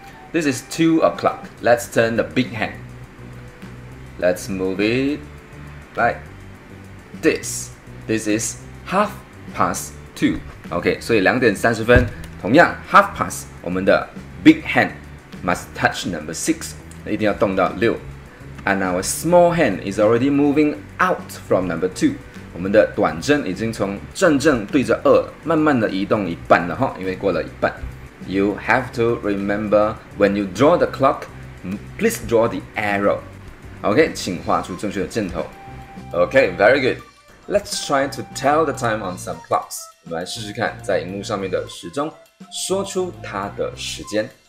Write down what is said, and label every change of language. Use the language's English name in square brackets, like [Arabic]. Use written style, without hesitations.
[English] This is 2 o'clock. Let's turn the big hand. Let's move it like this. This is 2:30. Okay, [Chinese] 所以两点三十分，同样 [English] 2:30, [Chinese] 我们的 [English] big hand. Must touch number 6, [Chinese] 一定要动到6. [English] And our small hand is already moving out from number 2. [Chinese] 我们的短针已经从正正对着2慢慢的移动一半了，因为过了一半。 [English] You have to remember, when you draw the clock, please draw the arrow. [Chinese] Okay, 请画出正确的箭头。Okay, [English] very good. Let's try to tell the time on some clocks. [Chinese] 我们来试试看在荧幕上面的时钟说出它的时间。